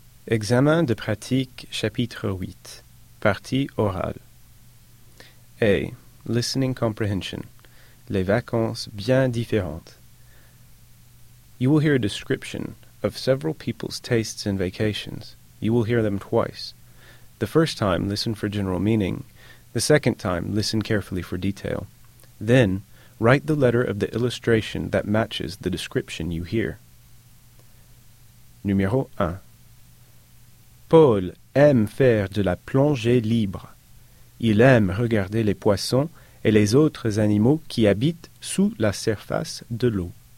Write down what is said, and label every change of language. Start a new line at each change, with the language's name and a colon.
French: Examen de pratique, chapitre 8. Partie orale. A. Listening comprehension. Les vacances bien différentes.
English: You will hear a description of several people's tastes in vacations. You will hear them twice. The first time, listen for general meaning. The second time, listen carefully for detail. Then, write the letter of the illustration that matches the description you hear.
French: Numéro 1. Paul aime faire de la plongée libre. Il aime regarder les poissons et les autres animaux qui habitent sous la surface de l'eau.